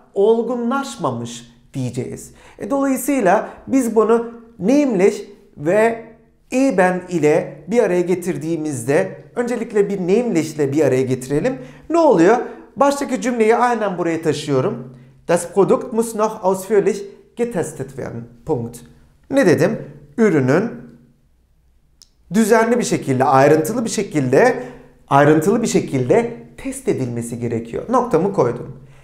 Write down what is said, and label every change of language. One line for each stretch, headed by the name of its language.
Turkish: Olgunlaşmamış diyeceğiz. Dolayısıyla biz bunu nämlich ve eben ile bir araya getirdiğimizde öncelikle bir nämlich ile bir araya getirelim. Ne oluyor? Baştaki cümleyi aynen buraya taşıyorum.
German: Das Produkt muss noch ausführlich getestet werden.
Turkish: Punkt. Ne dedim? Ürünün düzenli bir şekilde, ayrıntılı bir şekilde test edilmesi gerekiyor. Noktamı koydum.